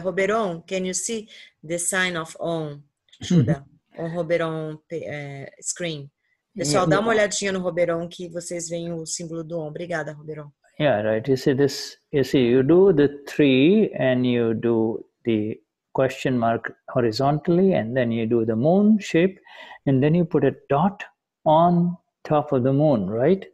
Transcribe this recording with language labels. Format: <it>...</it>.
<en>Roberon, can you see the sign of Om, Shuddha?</en> <pt>O Roberon screen. Pessoal, dá uma olhadinha no Roberon que vocês veem o símbolo do Om. Obrigada, Roberon.</pt> <en>Yeah, right. You see this, you see, you do the 3 and you do the question mark horizontally and then you do the moon shape and then you put a dot on top of the moon, right?</en>